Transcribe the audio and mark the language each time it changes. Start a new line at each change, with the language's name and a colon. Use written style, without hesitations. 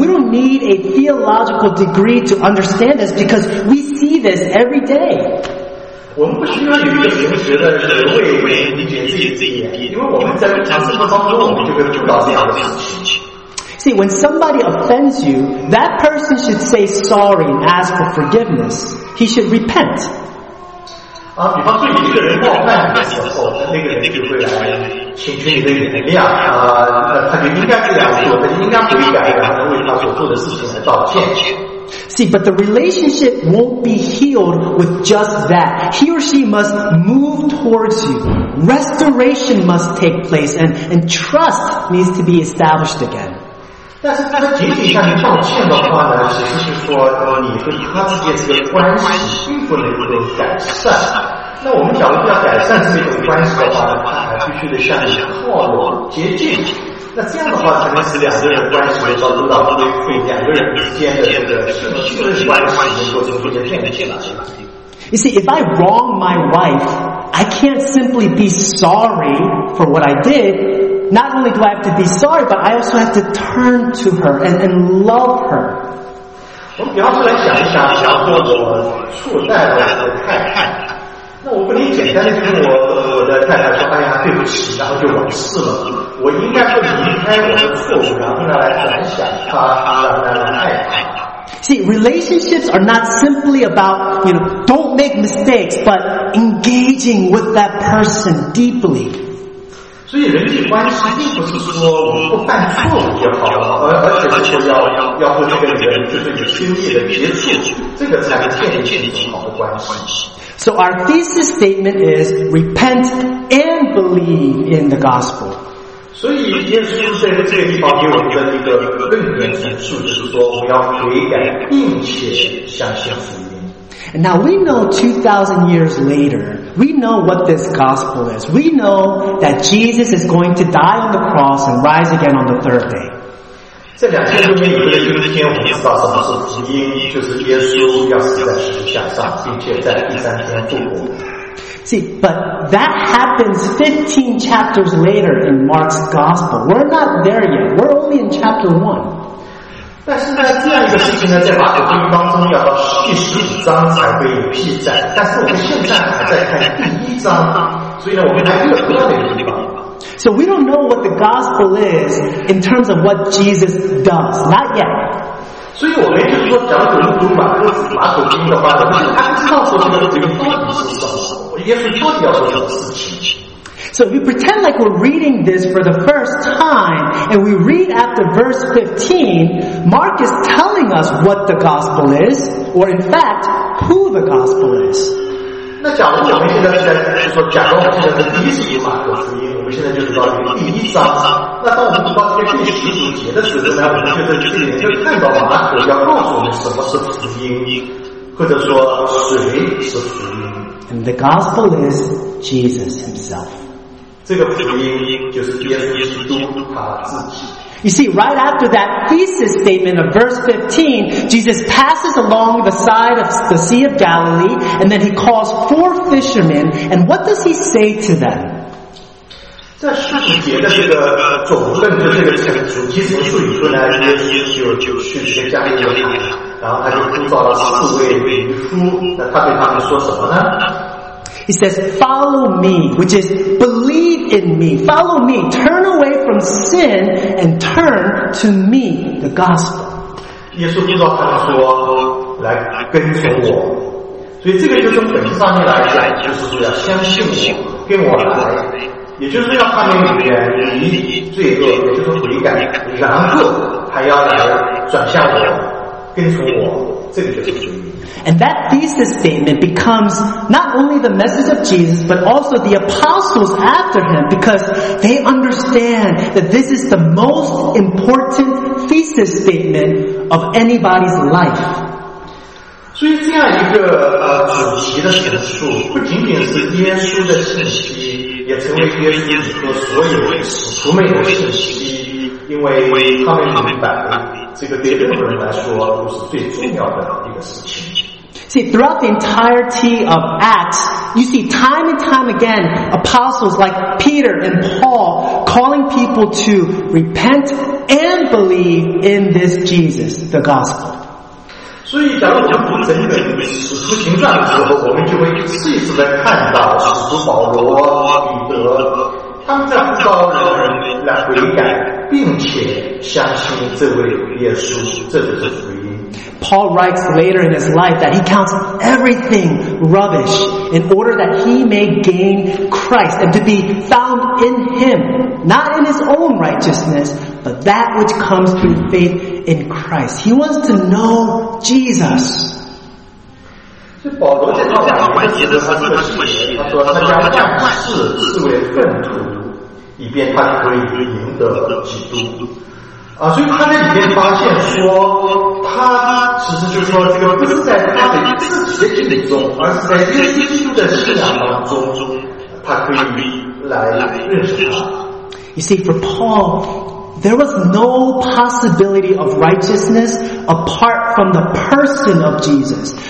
English: we don't need a theological degree to understand this because we see this every day.
Chinese: 我们不需要有一个神学的学位理解自己的意义，因为我们在讲师的当中，我们就会遇到这样的事情。
English: See, when somebody offends you, that person should say sorry and ask for forgiveness. He should repent.
Chinese: 啊，比方对一个人冒犯你的时候，那个人就会来请求你的原谅啊，他就应该这样做，他就应该悔改，然后为他所做的事情来道歉。
English: See, but the relationship won't be healed with just that. He or she must move towards you. Restoration must take place, and trust needs to be established again.
Chinese: 但是仅仅向你道歉的话呢，只是说你和他之间这个关系并不能够改善。那我们假如要改善这种关系的话呢，他还必须得向你靠拢接近。那这样的话才能使两个人关系得到得到对两个人之间的这个信任关系能够逐渐建立起来。
English: You see, if I wrong my wife, I can't simply be sorry for what I did. Not only do I have to be sorry, but I also have to turn to her and love her.
Chinese: 我们比方说来想一想，我错待了我的太太，那我不能简单的跟我的太太说，哎呀，对不起，然后就往事了。我应该会离开我的错误，然后呢来转向她，让她来爱她。
English: See, relationships are not simply about, you know, don't make mistakes, but engaging with that person deeply.
Chinese: 所以人际关系并不是说我不犯错误就好了，而且是说要和这个人就是有亲密的接触，这个才能建立起好的关系。
English: So our thesis statement is repent and believe in the gospel.
Chinese: 所以耶稣在这个地方给我们的一个论点指出，就是说我们要悔改并且相信福音。
English: And now we know 2,000 years later, we know what this gospel is. We know that Jesus is going to die on the cross and rise again on the third day.
Chinese: 在2,000年以后的今天，我们知道什么是福音，就是耶稣要死在十字架上，并且在第三天复活。
English: See, but that happens 15 chapters later in Mark's Gospel. We're not there yet. We're only in chapter 1.
Chinese: 但是这样一个事情呢，在马可福音当中要到第十五章才会有记载。但是我们现在还在看第一章，所以呢，我们还没有读到那个地方。
English: So we don't know what the Gospel is in terms of what Jesus does. Not yet.
Chinese: 所以我们就是说，假如有人读马可福音的话，他不知道说这个到底是什么，耶稣到底要做什么事情。
English: So if we pretend like we're reading this for the first time, and we read after verse 15, Mark is telling us what the gospel is, or in fact, who the gospel is.
Chinese: 那假如我们现在是在就是说，假如我们现在是第一次读马可福音，我们现在就是到第一章。那当我们读到这个第十五节的时候呢，我们就在这里就看到马可要告诉我们什么是福音，或者说谁是福音。
English: And the gospel is Jesus himself. You see, right after that thesis statement of verse 15, Jesus passes along the side of the Sea of Galilee, and then he calls four fishermen, and what does he say to them?
Chinese: 在十五节的这个总论的这个陈述，基督徒以后呢，耶稣就去这个加利利海，然后他就呼召了四位渔夫，那他对他们说什么呢？
English: He says, follow me, which is believe in me. Follow me, turn away from sin and turn to me, the gospel.
Chinese: 耶稣呼召他们说，来跟从我。所以这个就从本质上面来讲，就是说要相信我，跟我来。也就是要他们远离罪恶，也就是悔改，然后还要来转向我，跟从我，这个就是福音。
English: And that thesis statement becomes not only the message of Jesus, but also the apostles after him, because they understand that this is the most important thesis statement of anybody's life.
Chinese: 所以这样一个主题的陈述，不仅仅是耶稣的信息，也成为耶稣以后所有使徒们的信息，因为他们明白，这个对任何人来说都是最重要的一个事情。
English: See, throughout the entirety of Acts, you see time and time again, apostles like Peter and Paul calling people to repent and believe in this Jesus, the gospel.
Chinese: 所以假如我们读整本使徒行传的时候，我们就会一次一次的看到使徒保罗、彼得他们在呼召人来悔改并且相信这位耶稣，这就是福音。
English: Paul writes later in his life that he counts everything rubbish in order that he may gain Christ and to be found in Him, not in his own righteousness, but that which comes through faith in Christ. He wants to know Jesus.
Chinese: 所以保罗在这里他说他是为愤怒以便他可以归于赢得基督所以他在里面发现说他其实就是说这个不是在他的自己的理中而是在耶稣基督的信仰当中他可以来认识他
English: You see, for Paul, there was no possibility of righteousness apart from the person of Jesus.